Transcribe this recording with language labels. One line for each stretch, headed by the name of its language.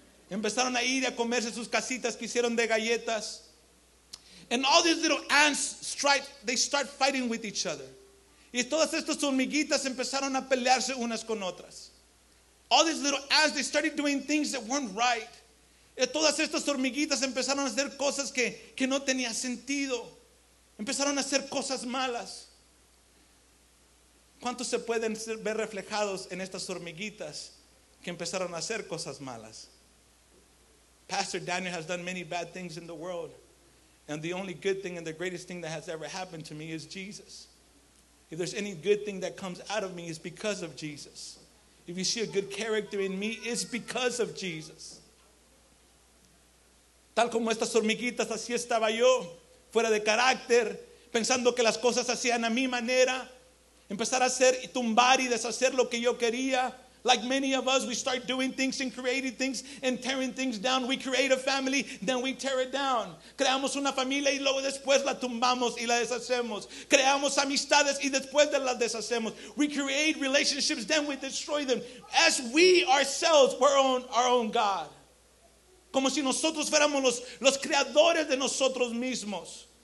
Spanish: Empezaron a ir a comerse sus casitas que hicieron de galletas.
English: And all these little ants, they start fighting with each other.
Spanish: Y todas estas hormiguitas empezaron a pelearse unas con otras.
English: All these little ants, they started doing things that weren't right.
Spanish: Y todas estas hormiguitas empezaron a hacer cosas que no tenía sentido. Empezaron a hacer cosas malas. ¿Cuántos se pueden ver reflejados en estas hormiguitas que empezaron a hacer cosas malas?
English: Pastor Daniel has done many bad things in the world. And the only good thing and the greatest thing that has ever happened to me is Jesus. If there's any good thing that comes out of me, it's because of Jesus. If you see a good character in me, it's because of Jesus.
Spanish: Tal como estas hormiguitas, así estaba yo, fuera de carácter, pensando que las cosas hacían a mi manera, empezar a hacer y tumbar y deshacer lo que yo quería.
English: Like many of us, we start doing things and creating things and tearing things down. We create a family, then we tear it down.
Spanish: Creamos una familia y luego después la tumbamos y la deshacemos. Creamos amistades y después de la deshacemos.
English: We create relationships, then we destroy them. As we ourselves were our own God.
Spanish: Como si nosotros fuéramos los creadores de nosotros mismos.